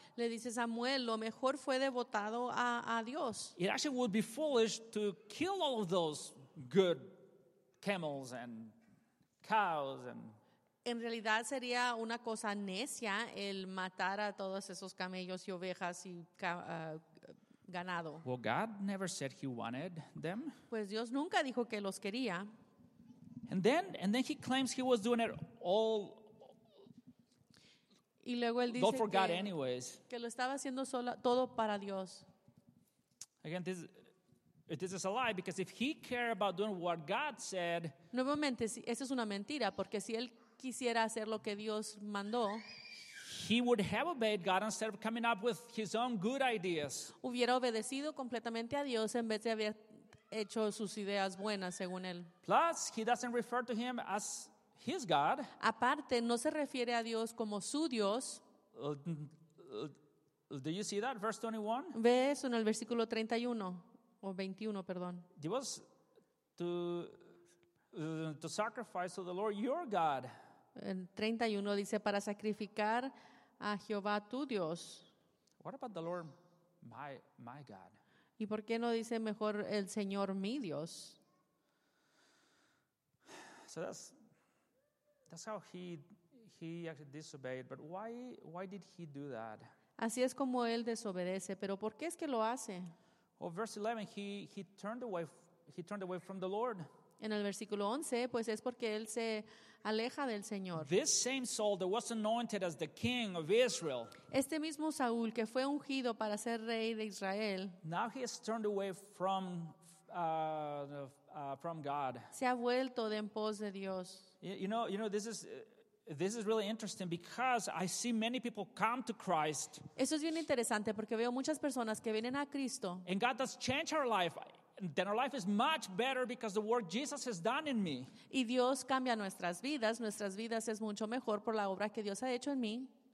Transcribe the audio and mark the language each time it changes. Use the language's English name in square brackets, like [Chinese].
[Spanish] Le dice Samuel, lo mejor fue devotado a Dios. [English] It actually would be foolish to kill all of those good camels and cows and. [Spanish] En realidad sería una cosa necia el matar a todos esos camellos y ovejas y ganado. [English] Well, God never said he wanted them. [Spanish] Pues Dios nunca dijo que los quería. [English] And then he claims he was doing it all. [Spanish] Y luego él dice [English] for God anyways. [Spanish] Que lo estaba haciendo solo, todo para Dios. [English] Again, this is a lie because if he cared about doing what God said. [Spanish] Nuevamente, esa es una mentira porque si él quisiera hacer lo que Dios mandó. [English] he would have obeyed God instead of coming up with his own good ideas. [Spanish] Hubiera obedecido completamente a Dios en vez de haber hecho sus ideas buenas según él. [English] Plus, he doesn't refer to him as his God. [Spanish] Aparte, no se refiere a Dios como su Dios. [English] Do you see that, verse 21? [Spanish] Ve eso en el versículo 31, o 21, perdón. [English] He was to sacrifice to the Lord your God. [Spanish] En 31 dice, para sacrificar a Jehová tu Dios. [English] What about the Lord my God? [Spanish] ¿Y por qué no dice mejor el Señor mi Dios? [English] So that's how he actually disobeyed, but why did he do that? [Spanish] Así es como él desobedece, pero ¿por qué es que lo hace? [English] Well, verse 11, he turned away from the Lord. [Spanish] En el versículo 11, pues es porque él se aleja del Señor. [English] This same Saul that was anointed as the king of Israel. [Spanish] Este mismo Saúl que fue ungido para ser rey de Israel. [English] Now he has turned away from God. [Spanish] Se ha vuelto de en pos de Dios. [English] You know, this is really interesting because I see many people come to Christ. [Spanish] Eso es bien interesante porque veo muchas personas que vienen a Cristo. [English] And God does change our life. Then our life is much better because the work Jesus has done in me. [Spanish] Y Dios cambia nuestras vidas es mucho mejor por la obra que Dios ha hecho en mí.